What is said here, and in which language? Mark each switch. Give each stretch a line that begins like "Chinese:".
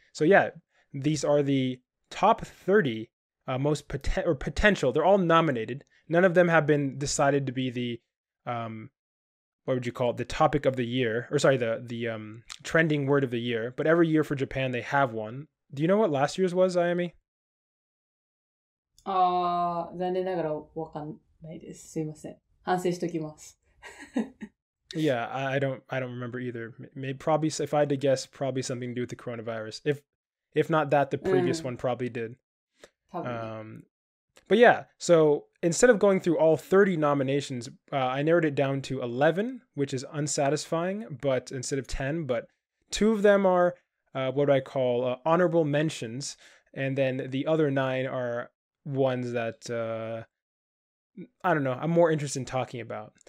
English: So yeah, these are the top 30 most potential. They're all nominated. None of them have been decided to be the, what would you call it? The topic of the year, or sorry, the trending word of the year. But every year for Japan, they have one. Do you know what last year's was, Ayami?
Japanese: 残念ながらわかんないです。すいません。反省しときます。
English: Yeah, I don't remember either. Maybe probably if I had to guess, probably something to do with the coronavirus. If not that, the previous one probably did. But yeah, so instead of going through all 30 nominations, I narrowed it down to 11, which is unsatisfying, but instead of 10, but two of them are what I call honorable mentions, and then the other nine are ones that I don't know, I'm more interested in talking about.